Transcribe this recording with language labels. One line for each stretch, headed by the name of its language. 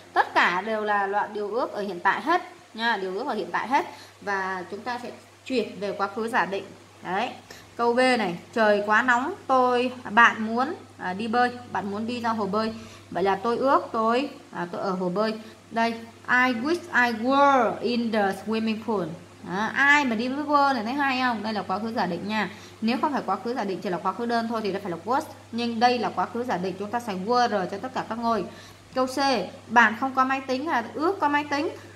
Vietnamese: Tất cả đều là loại điều ước ở hiện tại hết nha, điều ước ở hiện tại hết. Và chúng ta sẽ chuyển về quá khứ giả định. Đấy. Câu B này, trời quá nóng, bạn muốn đi bơi, bạn muốn đi ra hồ bơi. Vậy là tôi ước tôi ở hồ bơi.
English: Đây, I wish I were in the swimming pool.
Vietnamese: Ai mà đi với were này thấy hay không? Đây là quá khứ giả định nha. Nếu không phải quá khứ giả định, chỉ là quá khứ đơn thôi thì nó phải là was. Nhưng đây là quá khứ giả định, chúng ta xài were cho tất cả các ngôi. Câu C, bạn không có máy tính, ước có máy tính.